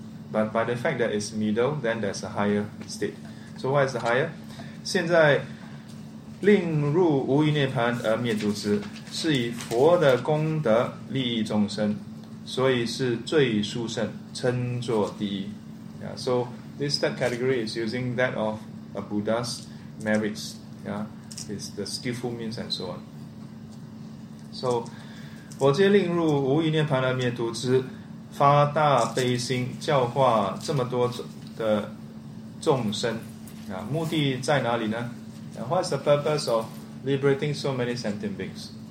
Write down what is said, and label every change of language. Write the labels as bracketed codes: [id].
[en] But by the fact that it's middle, then there's a higher state. So why is the higher? [zh] 现在令入无余涅槃而灭诸智，是以佛的功德利益众生，所以是最殊胜，称作第一。 [en] So this third category is using that of a Buddha's merits. It's the skillful means and so on. [zh] So, 我皆令入无余涅槃而灭诸智，发大悲心，教化这么多的众生。目的在哪里呢？ [en] What is the purpose of liberating so many sentient beings?